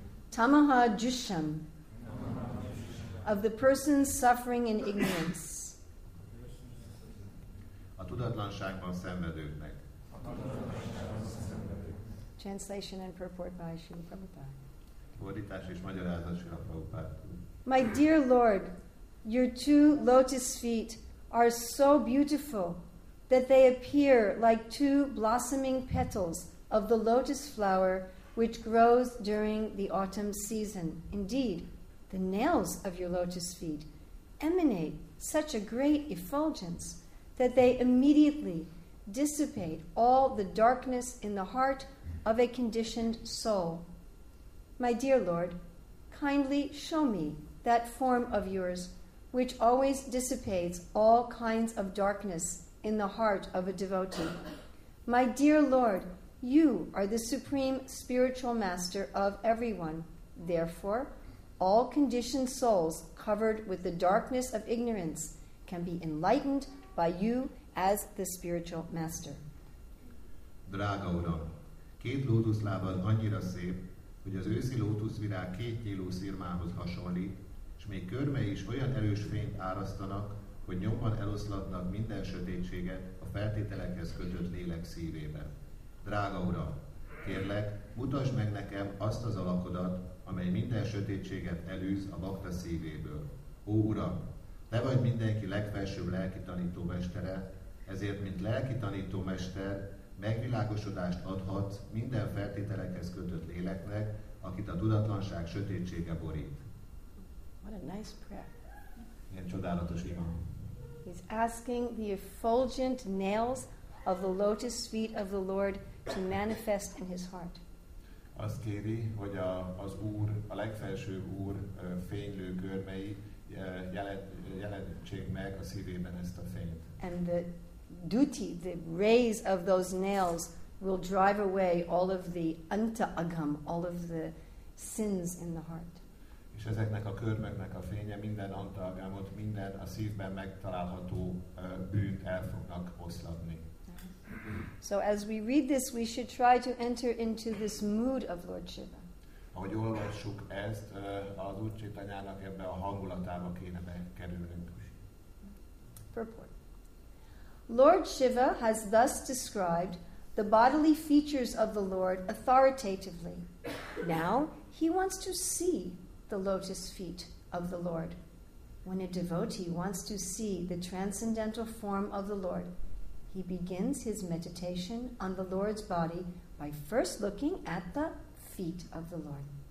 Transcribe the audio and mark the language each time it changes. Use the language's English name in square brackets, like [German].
[English] Tamaha jusham, of the person suffering in ignorance. [Hungarian] A tudatlanságban szenvedőknek. [English] Translation and purport by Srila Prabhupada. [Hungarian] Fordítás és magyarázat Srila Prabhupada. [English] My dear Lord, your two lotus feet are so beautiful that they appear like two blossoming petals of the lotus flower which grows during the autumn season. Indeed, the nails of your lotus feet emanate such a great effulgence that they immediately dissipate all the darkness in the heart of a conditioned soul. My dear Lord, kindly show me that form of yours which always dissipates all kinds of darkness in the heart of a devotee. My dear Lord, you are the supreme spiritual master of everyone. Therefore, all conditioned souls covered with the darkness of ignorance can be enlightened by you as the spiritual master. [Hungarian] Drága Uram, két lótuszlábad annyira szép, hogy az őszi lótuszvirág két nyíló szirmához hasonlít, s még körme is olyan erős fényt árasztanak, hogy nyomban eloszlatnak minden sötétséget a feltételekhez kötött lélek szívébe. Drága Uram, kérlek, mutasd meg nekem azt az alakodat, amely minden sötétséget elűz a bakta szívéből. Ó Uram, Te vagy mindenki legfelsőbb lelki tanító mestere, ezért, mint lelki tanító mester, megvilágosodást adhatsz minden feltételekhez kötött léleknek, akit a tudatlanság sötétsége borít. [English] What a nice prayer. [Hungarian] Milyen csodálatos ima. [English] He's asking the effulgent nails of the lotus feet of the Lord to manifest in his heart. [Hungarian] Azt kéri, hogy az Úr, a legfelsőbb Úr fénylő görmei jelentsék meg a szívében ezt a fényt. [English] And the duty, the rays of those nails will drive away all of the anta-agam, all of the sins in the heart. [Hungarian] És ezeknek a körmöknek a fénye minden anta-agamot, minden a szívben megtalálható bűnt el fognak oszlatni. [English] So as we read this, we should try to enter into this mood of Lord Shiva. [Hungarian] Ahogy olvassuk ezt, az Úr Csaitanyának ebbe a hangulatába kéne bekerülnünk. [English] Purport. Lord Shiva has thus described the bodily features of the Lord authoritatively. Now he wants to see the lotus feet of the Lord. When a devotee wants to see the transcendental form of the Lord, he begins his meditation on the Lord's body by first looking at the feet of the Lord.